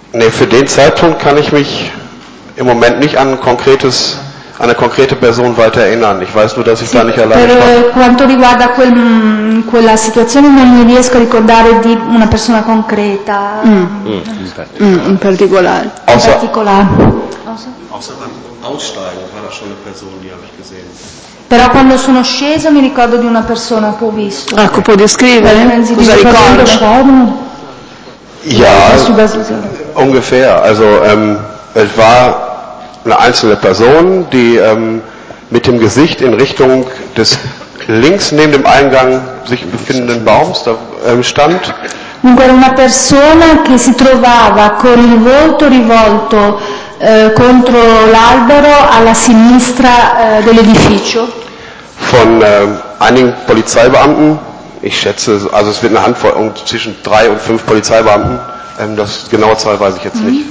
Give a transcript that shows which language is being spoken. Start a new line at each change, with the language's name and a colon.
German: Für den Zeitpunkt kann ich mich im Moment nicht an eine konkrete Person weiter erinnern. Ich weiß nur, dass ich da nicht alleine war.
Italian: Per quanto riguarda quella situazione, non mi riesco a ricordare di una persona concreta. In particolare.
German: Außer beim Aussteigen war da schon eine Person, die habe ich gesehen.
Italian: Però quando sono scesa mi ricordo di una persona che ho visto. Ecco, puoi descrivere? Cosa ricordo?
German: Ja, ungefähr. Also es war eine einzelne Person, die mit dem Gesicht in Richtung des links neben dem Eingang sich befindenden Baums da stand.
Italian: Dunque era una persona che si trovava con il volto rivolto contro l'albero alla sinistra dell'edificio.
German: Von einigen Polizeibeamten, ich schätze, also es wird eine Handvoll zwischen 3 und 5 Polizeibeamten, das genaue Zahl weiß ich jetzt nicht.